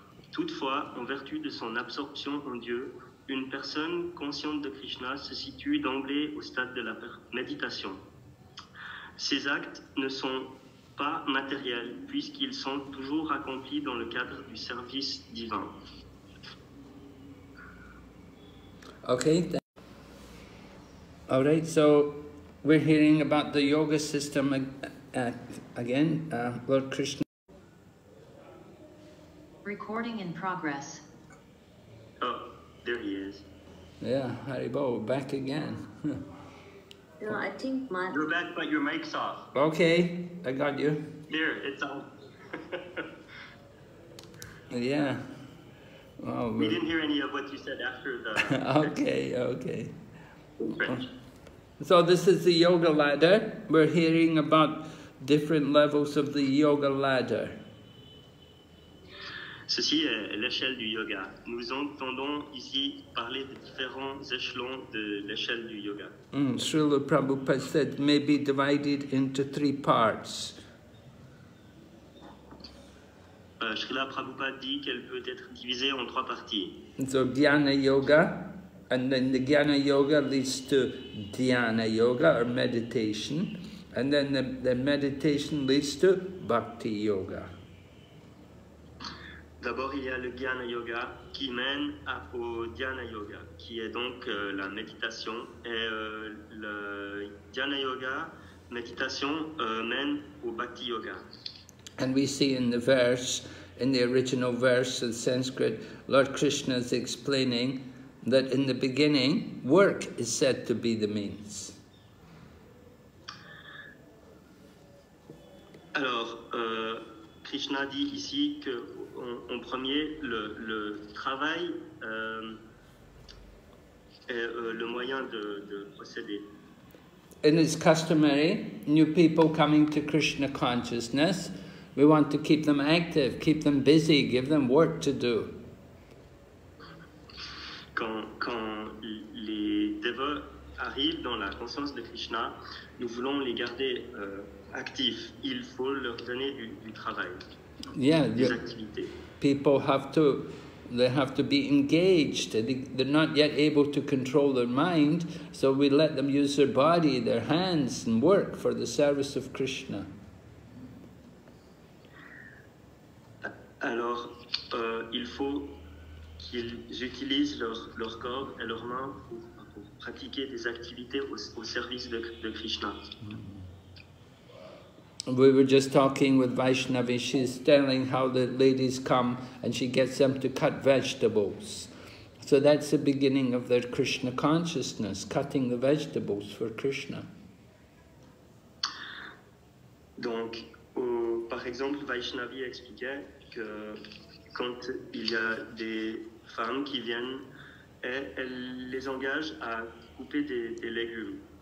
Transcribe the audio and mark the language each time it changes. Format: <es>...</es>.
<fr>Toutefois, en vertu de son absorption en Dieu, une personne consciente de Krishna se situe d'emblée au stade de la méditation. Ses actes ne sont pas matériels, puisqu'ils sont toujours accomplis dans le cadre du service divin.</fr> <en>Okay. All right, so we're hearing about the yoga system again, Lord Krishna. Recording in progress. Oh, there he is. Yeah, Haribo, back again. No, I think my... You're back, but your mic's off. Okay, I got you. Here, it's on. Yeah. Oh, we didn't hear any of what you said after the... okay. So this is the yoga ladder. We're hearing about different levels of the yoga ladder.</en> <fr>Ceci est l'échelle du yoga. Nous entendons ici parler de différents échelons de l'échelle du yoga.</fr> <en>Srila Prabhupada said may be divided into three parts.</en> <fr>Srila Prabhupada dit qu'elle peut être divisée en trois parties.</fr> <en>So Jnana Yoga, and then the Jnana Yoga leads to Dhyana Yoga, or meditation, and then the meditation leads to Bhakti Yoga.</en> <fr>D'abord, il y a le Jnana Yoga qui mène au Dhyana Yoga, qui est donc la méditation. Et le Jnana Yoga, méditation, mène au Bhakti Yoga.</fr> <en>And we see in the verse, in the original verse of Sanskrit, Lord Krishna is explaining that in the beginning, work is said to be the means.</en> <fr>Alors, Krishna dit ici que, en premier, le travail est le moyen de procéder.</fr> <en>And it's customary, new people coming to Krishna consciousness, we want to keep them active, keep them busy, give them work to do.</en> <fr>Quand les devas arrivent dans la conscience de Krishna, nous voulons les garder actifs. Il faut leur donner du travail, des activités.</fr> <en>People have to be engaged. They're not yet able to control their mind, so we let them use their body, their hands, and work for the service of Krishna.</en> <fr>Alors, il faut qu'ils utilisent leur corps et leurs mains pour pratiquer des activités au service de Krishna.</fr> <en>We were just talking with Vaishnavi. She's telling how the ladies come and she gets them to cut vegetables. So that's the beginning of their Krishna consciousness, cutting the vegetables for Krishna.</en> <fr>Donc, par exemple, Vaishnavi expliquait quand il y a des femmes qui viennent, elles les engagent à couper des légumes.</fr>